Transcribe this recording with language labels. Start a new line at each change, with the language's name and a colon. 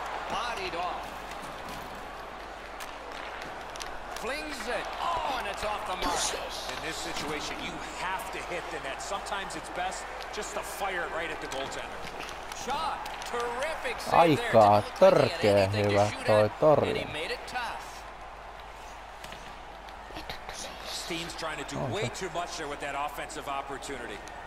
English: Bodied off. Flings it. Oh, and it's off the mark. In this situation, you have to hit the net. Sometimes it's best just to fire it right at the goaltender. Shot. Terrific save.
Finnish: Aika törkeä hyvä toi torjunta.
English: And he made it tough. Steen's trying to do way too much there with that offensive opportunity.